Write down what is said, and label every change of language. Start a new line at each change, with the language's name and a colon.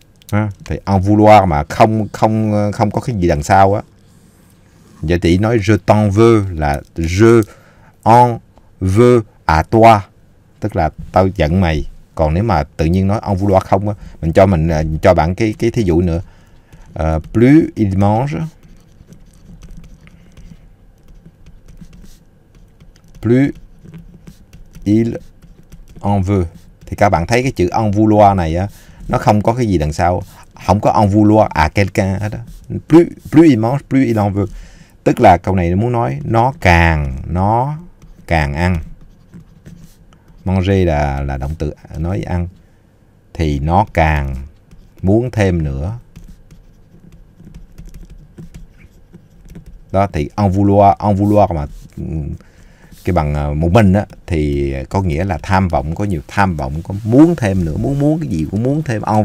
Vietnamese: À, thì
French: en vouloir
Vietnamese: mà không không không có cái gì đằng sau á, vậy thì nói
French: je t'en veux là je en veux à toi,
Vietnamese: tức là tao giận mày. Còn nếu mà tự nhiên nói
French: en vouloir
Vietnamese: không á, mình cho bạn cái thí dụ nữa.
French: Plus il mange, plus il en veut.
Vietnamese: Thì các bạn thấy cái chữ
French: en vouloir
Vietnamese: này á, nó không có cái gì đằng sau, không có
French: en vouloir à quelqu'un
Vietnamese: hết á.
French: Plus plus il mange, plus il en veut.
Vietnamese: Tức là câu này nó muốn nói nó càng ăn.
French: Manger
Vietnamese: là động từ nói ăn, thì nó càng muốn thêm nữa. Đó thì
French: en vouloir
Vietnamese: mà cái bằng một mình á thì có nghĩa là tham vọng, có nhiều tham vọng, có muốn thêm nữa, muốn muốn cái gì cũng muốn thêm.